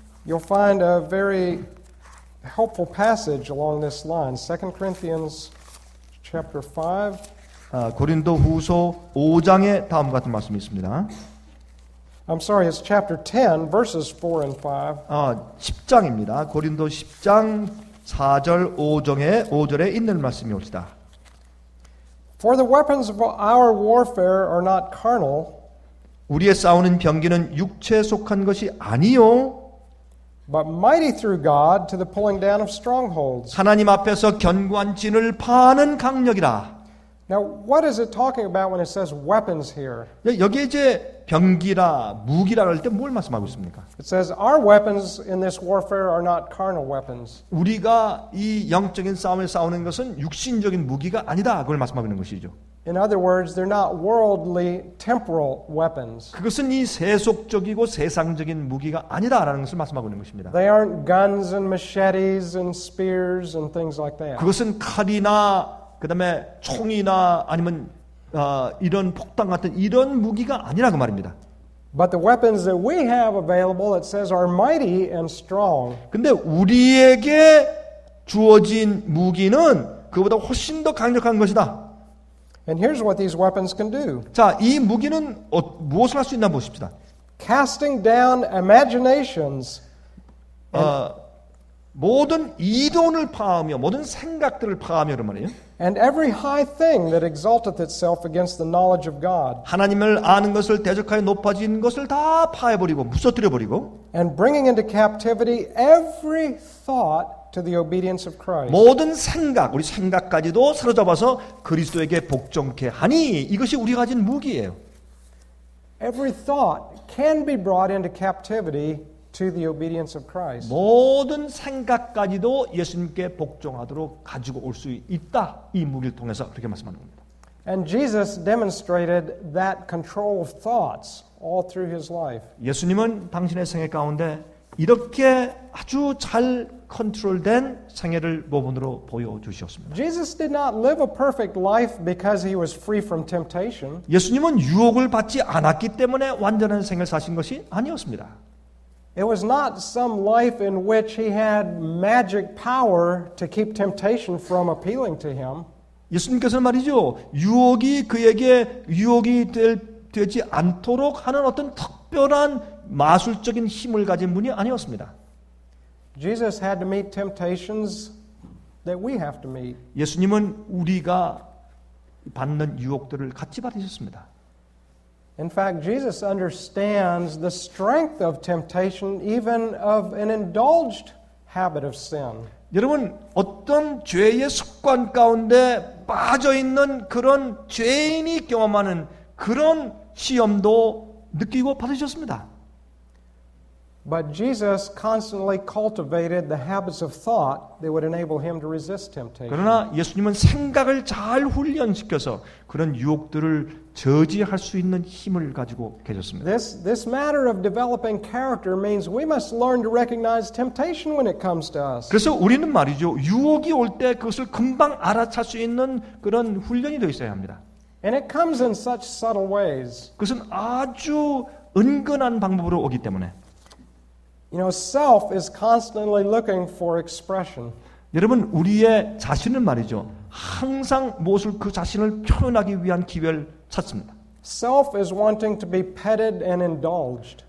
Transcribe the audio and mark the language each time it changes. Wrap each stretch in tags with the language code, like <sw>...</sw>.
<en>You'll find a very helpful passage along this line. 2 Corinthians chapter 5</en> <ko>고린도 후서 5장에 다음 같은 말씀이 있습니다.</ko> <en>I'm sorry, it's chapter 10, verses 4 and 5.</en> <ko>10장입니다. 고린도 10장 4절 5절에 있는 말씀이 옵니다.</ko> <en>For the weapons of our warfare are not carnal,</en> <ko>우리의 싸우는 병기는 육체에 속한 것이 아니요.</ko> <en>But mighty through God to the pulling down of strongholds.</en> <ko>하나님 앞에서 견고한 진을 파는 강력이라.</ko> <en>Now what is it talking about when it says weapons here?</en> <ko>여기 이제 병기라 무기라 할 때 뭘 말씀하고 있습니까?</ko> <en>It says our weapons in this warfare are not carnal weapons.</en> <ko>우리가 이 영적인 싸움을 싸우는 것은 육신적인 무기가 아니다. 그걸 말씀하고 있는 것이죠.</ko> <en>In other words, they're not worldly, temporal weapons.</en> <ko>그것은 이 세속적이고 세상적인 무기가 아니다라는 것을 말씀하고 있는 것입니다.</ko> <en>They aren't guns and machetes and spears and things like that.</en> <ko>그것은 칼이나 그다음에 총이나 아니면 이런 폭탄 같은 이런 무기가 아니라고 말입니다.</ko> <en>But the weapons that we have available, it says, are mighty and strong.</en> <ko>근데 우리에게 주어진 무기는 그보다 훨씬 더 강력한 것이다.</ko> <en>And here's what these weapons can do.</en> <ko>자, 이 무기는 무엇을 할 수 있나 보십시다.</ko> <en>Casting down imaginations.</en> <ko>모든 이론을 파하며 모든 생각들을 파하며 그런 말이에요.</ko> <en>And every high thing that exalteth itself against the knowledge of God.</en> <ko>하나님을 아는 것을 대적하여 높아진 것을 다 파해 버리고 무서뜨려 버리고.</ko> <en>And bringing into captivity every thought to the obedience of Christ.</en> <ko>모든 생각, 우리 생각까지도 사로잡아서 그리스도에게 복종케 하니 이것이 우리가 가진 무기예요.</ko> <en>Every thought can be brought into captivity to the obedience of Christ.</en> <ko>모든 생각까지도 예수님께 복종하도록 가지고 올 수 있다. 이 무기를 통해서 그렇게 말씀하는 겁니다.</ko> <en>And Jesus demonstrated that control of thoughts all through his life.</en> <ko>예수님은 당신의 생애 가운데 이렇게 아주 잘 컨트롤된 생애를 모범으로 보여주셨습니다.</ko> <en>Jesus did not live a perfect life because he was free from temptation.</en> <ko>예수님은 유혹을 받지 않았기 때문에 완전한 생애를 사신 것이 아니었습니다.</ko> <en>It was not some life in which he had magic power to keep temptation from appealing to him.</en> <ko>예수님께서는 말이죠. 유혹이 그에게 유혹이 되지 않도록 하는 어떤 특별한 마술적인 힘을 가진 분이 아니었습니다.</ko> <en>Jesus had to meet temptations that we have to meet.</en> <ko>예수님은 우리가 받는 유혹들을 같이 받으셨습니다.</ko> <en>In fact, Jesus understands the strength of temptation, even of an indulged habit of sin.</en> <ko>여러분, 어떤 죄의 습관 가운데 빠져 있는 그런 죄인이 경험하는 그런 시험도 느끼고 받으셨습니다.</ko> <en>But Jesus constantly cultivated the habits of thought that would enable him to resist temptation.</en> <ko>그러나 예수님은 생각을 잘 훈련시켜서 그런 유혹들을 저지할 수 있는 힘을 가지고 계셨습니다.</ko> <en>This matter of developing character means we must learn to recognize temptation when it comes to us.</en> <ko>그래서 우리는 말이죠. 유혹이 올 때 그것을 금방 알아챌 수 있는 그런 훈련이 되어 있어야 합니다.</ko> <en>And it comes in such subtle ways.</en> <ko>그것은 아주 은근한 방법으로 오기 때문에</ko> <en>You know, self is constantly looking for expression.</en> <ko>여러분, 우리의 자신은 말이죠. 항상 무엇을 그 자신을 표현하기 위한 기회를 찾습니다.</ko> <en>Self is wanting to be petted and indulged.</en>